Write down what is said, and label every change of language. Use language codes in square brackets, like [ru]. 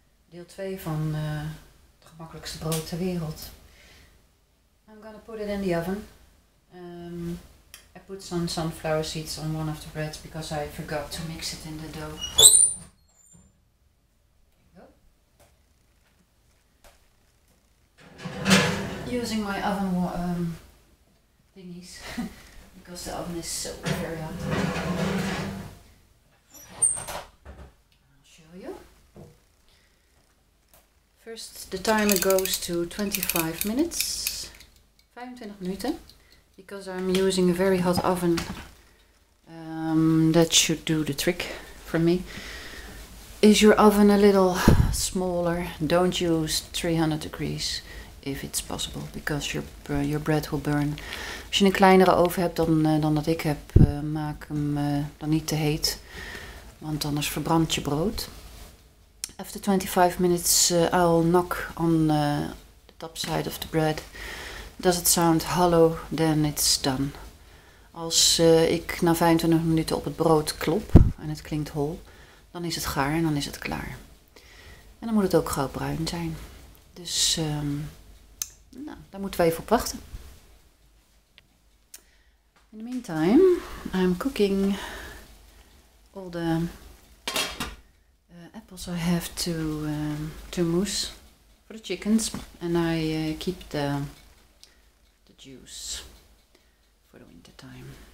[nl] Deel 2 van het gemakkelijkste brood ter wereld. [en] I'm gonna put it in the oven. I put some sunflower seeds on one of the breads because I forgot to mix it in the dough. Using my oven thingies because the oven is so very hot. I'll show you. First, the timer goes to 25 minutes, because I'm using a very hot oven. That should do the trick for me. Is your oven a little smaller? Don't use 300 degrees. If it's possible, because your bread will burn. [nl] Als je een kleinere oven hebt dan dat ik heb, maak hem dan niet te heet, want anders verbrandt je brood. [en] After 25 minutes, I'll knock on the top side of the bread. Does it sound hollow? Then it's done. [nl] Als ik na 25 minuten op het brood klop en het klinkt hol, dan is het gaar en dan is het klaar. En dan moet het ook gauw bruin zijn. Dus nou, daar moeten we even op wachten. [en] In the meantime, I'm cooking all the apples I have to mousse for the chickens. And I keep the juice for the winter time.